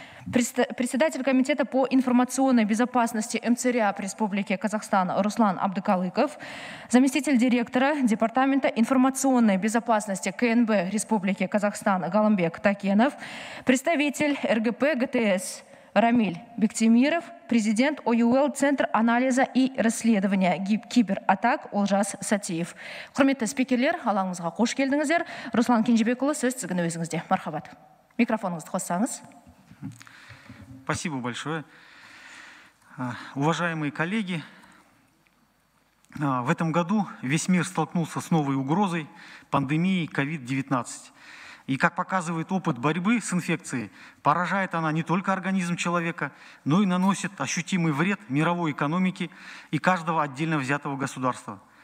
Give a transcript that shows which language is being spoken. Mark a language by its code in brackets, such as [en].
[ru] Председатель комитета по информационной безопасности МЦРИАП Республики Казахстан Руслан Абдыкалыков, заместитель директора департамента информационной безопасности КНБ Республики Казахстан Галымбек Такенов, представитель РГП ГТС Рамиль Бектимиров, президент ОЮЛ Центр анализа и расследования кибератак Олжас Сатиев. [kk] Құрметті спикерлер, алаңызға қош келдіңіздер. Руслан Кенжебекұлы, сөз сізге өзіңізде. Мархабат. Микрофоныңызды қоссаңыз. [ru] Спасибо большое. Уважаемые коллеги, в этом году весь мир столкнулся с новой угрозой пандемии COVID-19. И как показывает опыт борьбы с инфекцией, поражает она не только организм человека, но и наносит ощутимый вред мировой экономике и каждого отдельно взятого государства.